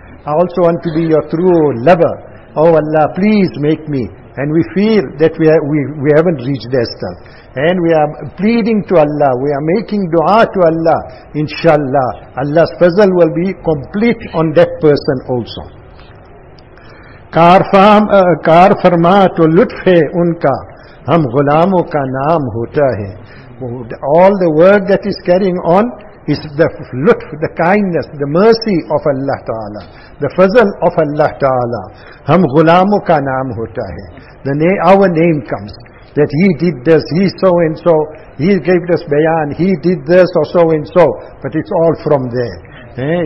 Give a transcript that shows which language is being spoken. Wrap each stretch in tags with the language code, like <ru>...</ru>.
<en>I also want to be your true lover. Oh Allah, please make me. And we feel that we haven't reached that stuff. And we are pleading to Allah, we are making dua to Allah. Inshallah, Allah's fazl will be complete on that person also.</en> <ur>کار فرما تو لطف ہے ان کا ہم غلاموں کا نام ہوتا ہے.</ur> <en>All the work that is carrying on is the lutf, the kindness, the mercy of Allah Ta'ala, the fazl of Allah Ta'ala.</en> <ur>Hum ghulamu ka naam hota hai.</ur> <en>Our name comes, that he did this, he so and so, he gave this bayan, he did this or so and so, but it's all from there.</en>